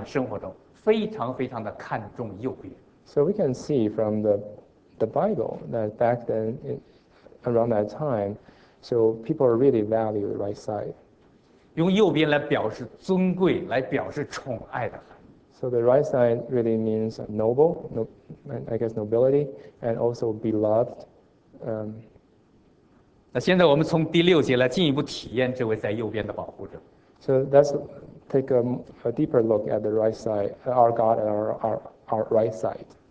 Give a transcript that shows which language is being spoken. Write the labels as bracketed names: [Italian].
[Chinese] 所以从新旧约圣经中，我们可以了解到，在古代以色列以及在新约时代巴勒斯坦地区，人们的信仰生活中非常非常的看重右边。 [English] So we can see from the Bible that back then, around that time, so people really value the right side. [Chinese] 用右边来表示尊贵，来表示宠爱的含义。 [English] So the right side really means noble, I guess nobility, and also beloved. [Chinese] 那现在我们从第六节来进一步体验这位在右边的保护者。 [English] So let's take a deeper look at the right side, our God and our right side.